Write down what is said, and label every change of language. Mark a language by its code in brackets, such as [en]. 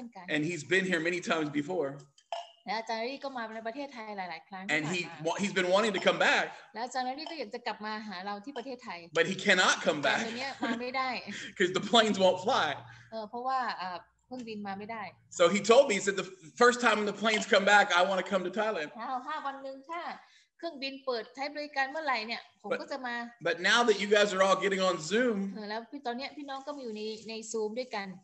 [en] And he's been here many times before. [th] แล้วอาจารย์ลี่ก็มาในประเทศไทยหลายๆครั้ง [en] And he's been wanting to come back. [th] แล้วอาจารย์ลี่ก็อยากจะกลับมาหาเราที่ประเทศไทย [en] But he cannot come back. [th] เพราะเนี่ยมาไม่ได้ [en] Cuz the planes won't fly. [th] เพราะว่าเครื่องบินมาไม่ได้ [en] So he told me he said the first time the planes come back I want to come to Thailand. [th] ถ้าวันนึงถ้าเครื่องบินเปิดใช้บริการเมื่อไหร่เนี่ยผมก็จะมา [en] But now that you guys are all getting on Zoom. [th] แล้วตอนเนี้ยพี่น้องก็มีอยู่ใน Zoom ด้วยกัน